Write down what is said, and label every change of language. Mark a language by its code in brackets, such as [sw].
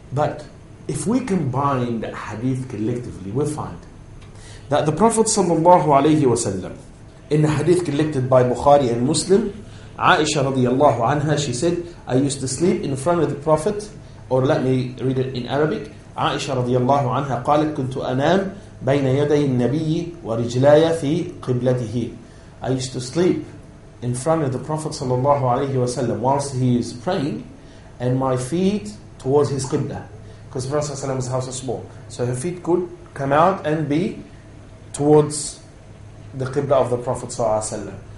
[en] But if we combine the hadith collectively, we'll find that the Prophet sallallahu alayhi wa sallam, in a hadith collected by Bukhari and Muslim, Aisha radiallahu anha, she said, I used to sleep in front of the Prophet, or let me read it in Arabic. [ar] Aisha radiallahu anha, قالت كنت أنام بين يدي النبي ورجلاي في قبلته. [en] I used to sleep in front of the Prophet sallallahu alayhi wa sallam whilst he is praying, and my feet towards his qibla, because the Prophet's house was small. So her feet could come out and be towards the qibla of the Prophet ﷺ.